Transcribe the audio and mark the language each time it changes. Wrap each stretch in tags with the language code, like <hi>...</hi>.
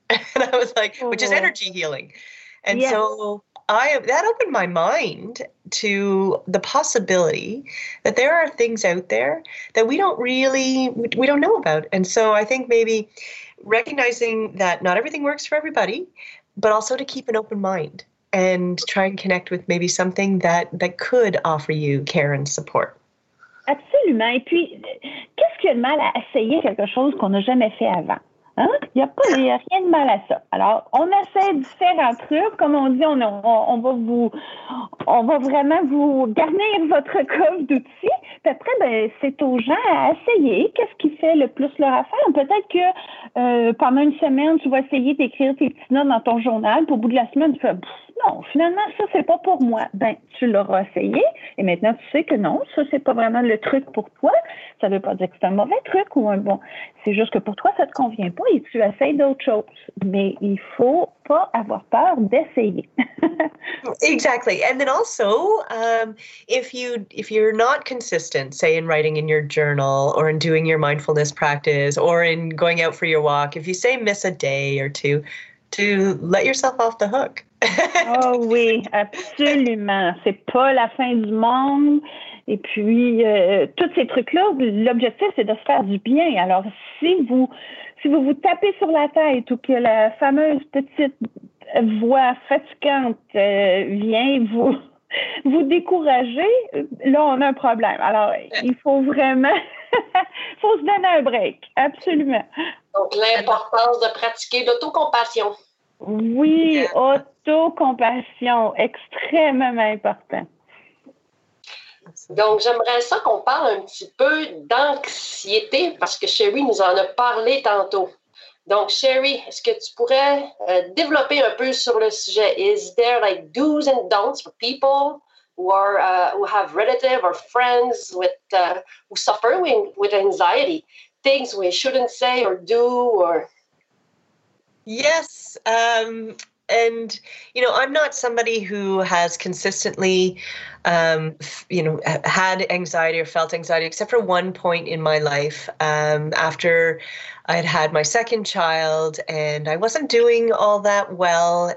<en>And I was like, which is energy healing. And yes. So that opened my mind to the possibility that there are things out there that we don't know about. And so I think maybe recognizing that not everything works for everybody, but also to keep an open mind and try and connect with maybe something that could offer you care and support.</en> <fr>Absolument. Et puis, qu'est-ce qu'il y a de mal à essayer quelque chose qu'on n'a jamais fait avant? Il n'y a rien de mal à ça. Alors, on essaie différents trucs. Comme on dit, on va vraiment vous garnir votre coffre d'outils. Puis après, ben, c'est aux gens à essayer. Qu'est-ce qui fait le plus leur affaire? Peut-être que pendant une semaine, tu vas essayer d'écrire tes petits notes dans ton journal. Puis au bout de la semaine, tu fais non, finalement, ça, c'est pas pour moi. Ben, tu l'auras essayé. Et maintenant, tu sais que non, ça, c'est pas vraiment le truc pour toi. Ça veut pas dire que c'est un mauvais truc ou un bon. C'est juste que pour toi, ça te convient pas et tu essaies d'autres choses. Mais il faut pas avoir peur d'essayer.</fr> <en>Exactly. And then also, if you're not consistent, say in writing in your journal or in doing your mindfulness practice or in going out for your walk, if you say miss a day or two, to let yourself off the hook.</en> <fr>Oh oui, absolument. C'est pas la fin du monde. Et puis, tous ces trucs-là, l'objectif, c'est de se faire du bien. Alors, si vous vous tapez sur la tête ou que la fameuse petite voix fatigante vient vous décourager, là, on a un problème. Alors, il faut vraiment... il faut se donner un break. Absolument. Donc, l'importance de pratiquer l'autocompassion. Oui, autocompassion, extrêmement important. Donc, j'aimerais ça qu'on parle un petit peu d'anxiété, parce que Sherry nous en a parlé tantôt. Donc, Sherry, est-ce que tu pourrais développer un peu sur le sujet?</fr> <en>Is there like do's and don'ts for people who have relatives or friends who suffer with anxiety? Things we shouldn't say or do or... Yes, And, you know, I'm not somebody who has consistently, had anxiety or felt anxiety, except for one point in my life after I had had my second child and I wasn't doing all that well.</en>